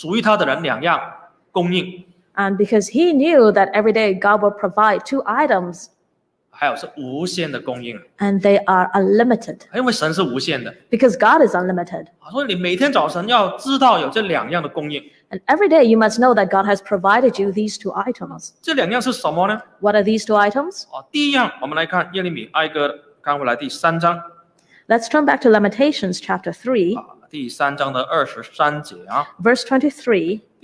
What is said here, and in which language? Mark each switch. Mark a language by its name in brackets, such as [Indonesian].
[Chinese] 他知道下一页告诉我们，每早晨神会赐给属于他的人两样供应。 [English] And because he knew that every day God will provide two items. [Chinese] 还有是无限的供应。 [English] And they are unlimited. [Chinese] 因为神是无限的。 [English] Because God is unlimited. [Chinese] 所以你每天早晨要知道有这两样的供应。 [English] And every day you must know that God has provided you these two items. [Chinese] 这两样是什么呢? [English] What are these two items? [Chinese] 第一样，我们来看耶利米哀歌，刚回来第三章。 [English] Let's turn back to Lamentations chapter 3. [Chinese] 第三章的23节啊。 [English] Verse 23.